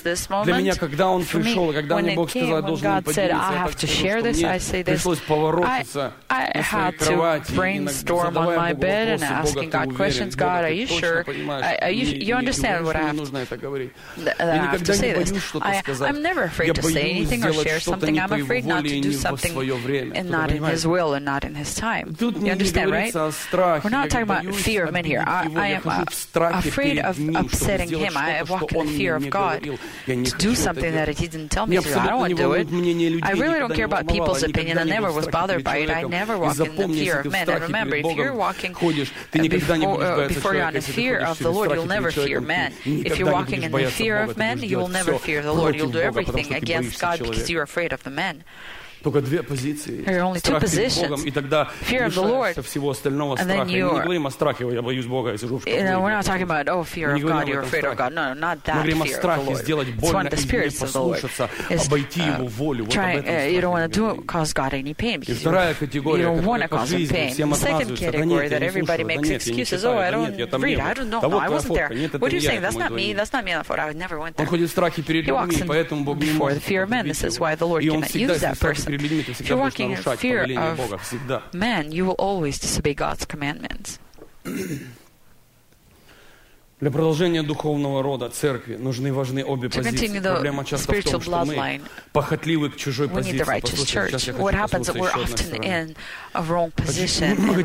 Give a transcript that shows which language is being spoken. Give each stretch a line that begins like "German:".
English: this
Russian: для меня, когда он пришел, когда мне Бог сказал, я должен поделиться, я так скажу, что мне пришлось поворотиться на своей кровати, задавая Богу вопросы, Бог, ты уверен, Бог, ты точно понимаешь, мне не нужно это говорить. Я никогда не
English: I'm never afraid to say anything or share something. I'm afraid not to do something and not in his will and not in his time. You understand, right? We're not talking about fear of men here. I am afraid of upsetting him. I walk in the fear of God to do something that he didn't tell me to. I don't want to do it. I really don't care about people's opinion. I never was bothered by it. I never walk in the fear of men. And remember, if you're walking before you're on the fear of the Lord, you'll never fear men. If you're walking in the fear of men, you will never fear the Lord. You'll do everything against God because you're afraid of the men.
Russian: Только две позиции.
English: There are only two positions.
Russian: Богом, и тогда
English: fear of the Lord.
Russian: Всего остального страха.
English: And then you're...
Russian: Мы не говорим о страхе, я боюсь Бога, я сижу в шкафу.
English: No, we're not talking about, oh, fear of God, you're afraid of God. No, not that fear of the Lord.
Russian: Мы говорим о страхе сделать больно и не послушаться, обойти Его волю. Вот
English: trying,
Russian: об этом страхе.
English: You don't want to cause God any pain.
Russian: И вторая категория, которая по жизни всем отказывается. Да нет, я не слушаю. Да нет, я там не был. Да вот твоя фотка. Нет, это не я.
English: That's not me. That's not me on the photo. I never went there.
Russian: Он ходит в страхе перед людьми, поэтому Бог не может.
English: Before the fear of men, this is why the Lord cannot use that person. If you're walking in fear of man, you will always disobey God's commandments.
Russian: Для продолжения духовного рода церкви нужны важны обе позиции. Проблема часто в том, что мы похотливы к чужой позиции.
English: What happens is we're often in a wrong position.